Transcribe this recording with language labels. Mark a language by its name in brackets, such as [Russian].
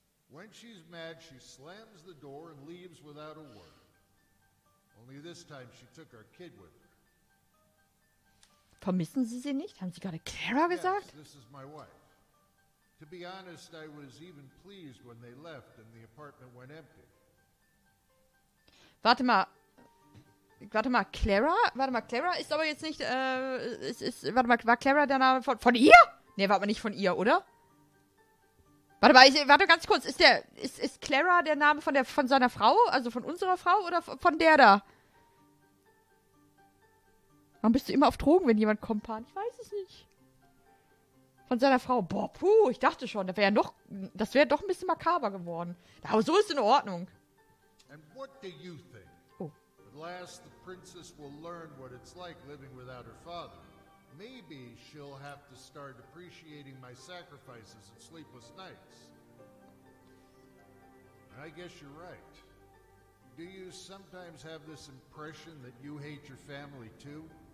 [English] When she's mad, she slams the door and leaves without a word. Only this time she took our kid with her. [German] Vermissen Sie sie nicht? Haben Sie gerade Clara gesagt? [English] Yes, this is my wife. To be honest, I was even pleased when they left and the apartment went empty. [German] Warte mal. Warte mal, Clara? Warte mal, Clara ist aber jetzt nicht, warte mal, war Clara der Name von ihr? Nee, warte mal, nicht von ihr, oder? Warte ganz kurz. Ist Clara der Name von seiner Frau? Also von unserer Frau oder von der da? Warum bist du immer auf Drogen, wenn jemand kommt, Pan? Ich weiß es nicht. Von seiner Frau. Boah, puh, ich dachte schon, das wäre doch ein bisschen makaber geworden. Aber so ist in Ordnung. [English] And what do you think? Oh. At last the princess will learn what it's like living without her father. Maybe she'll have to start appreciating my sacrifices and sleepless nights. I guess you're right. Do you sometimes have this impression that you hate your family too?